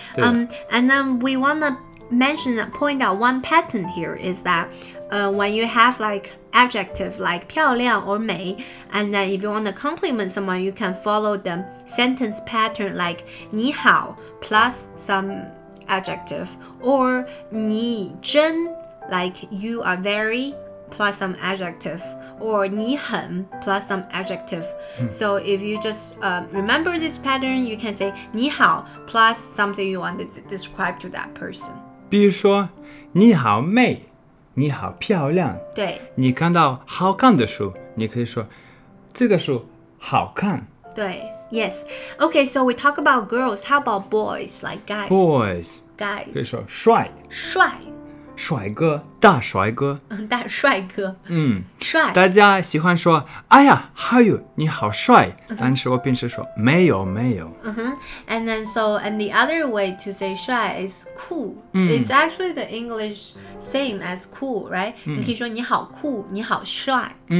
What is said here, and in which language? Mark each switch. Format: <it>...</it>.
<en>And then we want to mention, point out one pattern here is that when you have like adjective like 漂亮 or 美, and then if you want to compliment someone, you can follow the sentence pattern like</en> <zh>你好</zh> <en>plus some adjective, or</en> <zh>你真</zh> <en>like you are very,plus some adjective, or</en> <zh>你很</zh> <en>plus some adjective. So if you just remember this pattern, you can say</en> <zh>你好</zh> <en>plus something you want to describe to that person.</en> <zh>比如说你好美，你好漂亮。对，你看到好看的书，你可以说这个书好看。对，</zh> <en>yes. Okay, so we talk about girls. How about boys, like guys? Boys. Guys.</en> <zh>可以说帅。帅。帅哥，大帅哥，大帅哥，帅。大家喜欢说，哎呀，浩宇，你好帅。但是我平时说，没有，没有。</zh> <en>And then so, and the other way to say 帅 is cool. It's actually the English same as cool, right?</en> <zh>你可以说你好酷，你好帅。</zh>